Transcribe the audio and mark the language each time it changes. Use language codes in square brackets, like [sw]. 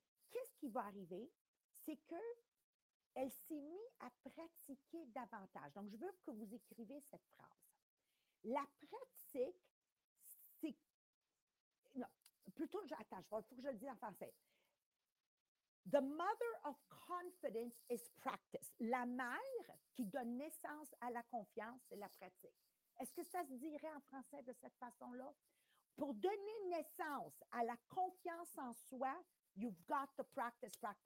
[fr] Qu'est-ce qui va arriver? C'est qu'elle s'est mise à pratiquer davantage. Donc, je veux que vous écriviez cette phrase. La pratique, c'est... Non, plutôt, attends, il faut que je le dise en français. [en] The mother of confidence is practice. [fr] La mère qui donne naissance à la confiance, c'est la pratique. Est-ce que ça se dirait en français de cette façon-là? Pour donner naissance à la confiance en soi, [en] you've got to practice.